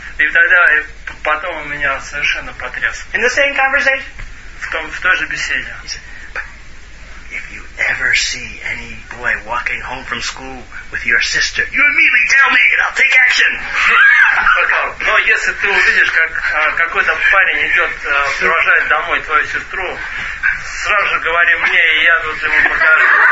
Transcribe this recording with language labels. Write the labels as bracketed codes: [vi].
[ru] И тогда и потом он меня совершенно потряс. [en] In the same conversation. [ru] В той же беседе. [en] He said, if you ever see any boy walking home from school with your sister, you immediately tell me and I'll take action. [ru] Но если ты увидишь, как какой-то парень идет, провожает домой твою сестру, сразу же говори мне, и я тут ему покажу.